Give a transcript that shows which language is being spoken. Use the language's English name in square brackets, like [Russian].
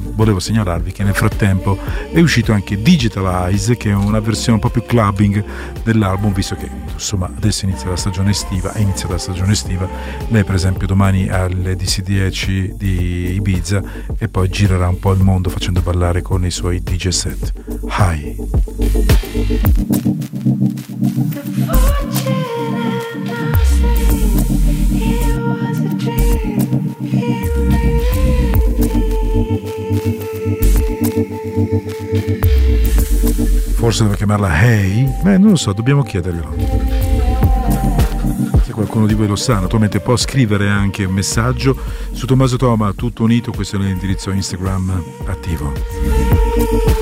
[Italian] Volevo segnalarvi che nel frattempo è uscito anche Digitalize, che è una versione un po' più clubbing dell'album, visto che insomma adesso inizia la stagione estiva, è iniziata la stagione estiva. Lei per esempio domani alle DC10 di Ibiza e poi girerà un po' il mondo facendo ballare con i suoi DJ set. [English] Hi. The fortune and the fame, it was a dream, he made me. [Italian] Forse devo chiamarla Hey? Beh, non lo so, dobbiamo chiederglielo. Qualcuno di voi lo sa, naturalmente può scrivere anche un messaggio su Tommaso Toma, tutto unito, questo è l'indirizzo Instagram attivo.